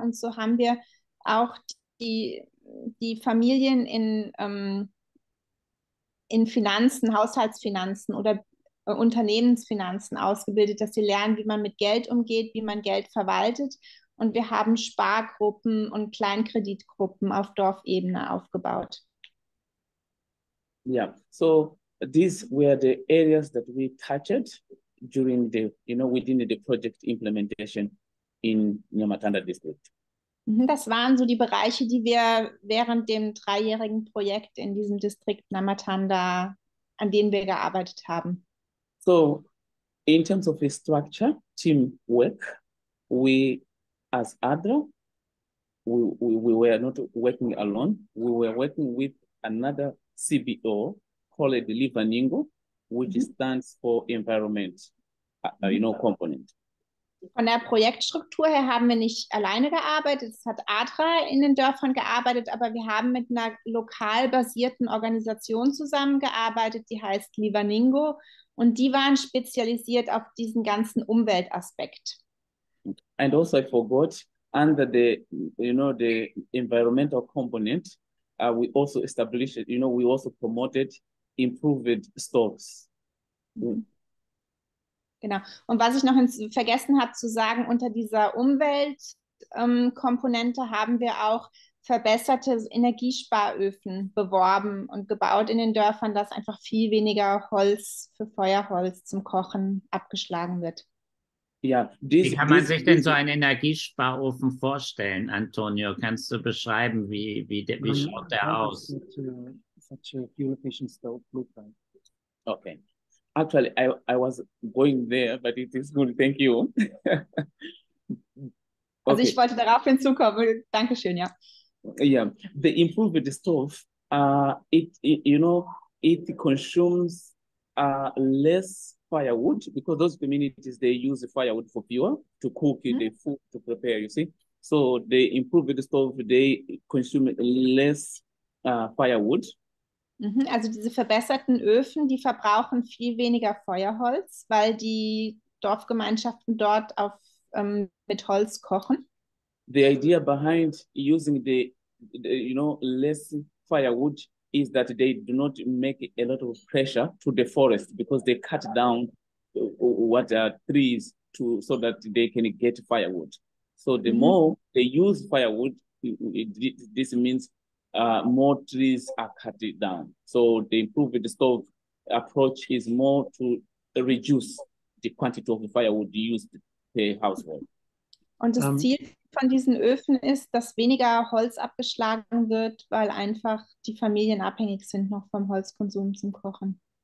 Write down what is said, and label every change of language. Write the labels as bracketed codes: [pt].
[de] Und so haben wir auch die Familien in Finanzen, Haushaltsfinanzen oder Unternehmensfinanzen ausgebildet, dass sie lernen, wie man mit Geld umgeht, wie man Geld verwaltet. Und wir haben Spargruppen und Kleinkreditgruppen auf Dorfebene aufgebaut. [en] Yeah, so these were the areas that we touched during the, within the project implementation in Nyamatanda District. [de] Das waren so die Bereiche, die wir während dem dreijährigen Projekt in diesem Distrikt Namatanda, an denen wir gearbeitet haben. [en] So, in terms of the structure, teamwork, we as ADRA, we were not working alone, we were working with another CBO called Livaningo, which stands for environment, component. [de] Von der Projektstruktur her haben wir nicht alleine gearbeitet, es hat ADRA in den Dörfern gearbeitet, aber wir haben mit einer lokal basierten Organisation zusammengearbeitet, die heißt Livaningo und die waren spezialisiert auf diesen ganzen Umweltaspekt. [en] And also I forgot, under the environmental component, we also established, we also promoted improved stocks. [de] Genau. Und was ich noch vergessen habe zu sagen, unter dieser Umweltkomponente haben wir auch verbesserte Energiesparöfen beworben und gebaut in den Dörfern, dass einfach viel weniger Holz für Feuerholz zum Kochen abgeschlagen wird. Ja, Wie kann man sich denn so einen Energiesparofen vorstellen, Antonio? Kannst du beschreiben, wie schaut der [en] How does [de] aus? [en] such a fuel efficient stove look like? Okay. Actually, I was going there, but it is good. Thank you. [de] Also ich wollte darauf hinzukommen. Dankeschön, ja. [en] Yeah. The improved stove, it consumes less firewood because those communities they use the firewood for fuel to cook the food to prepare, you see. So they improve the stove, they consume less firewood. [de] Also diese verbesserten Öfen, die verbrauchen viel weniger Feuerholz, weil die Dorfgemeinschaften dort mit Holz kochen. [en] The idea behind using less firewood is that they do not make a lot of pressure to the forest because they cut down what are trees to so that they can get firewood. So the more they use firewood, this means more trees are cut down. So the improved stove approach is more to reduce the quantity of firewood used per household. [de] Und das Ziel von diesen Öfen ist, dass weniger Holz abgeschlagen wird, weil einfach die Familien abhängig sind noch vom Holzkonsum zum Kochen.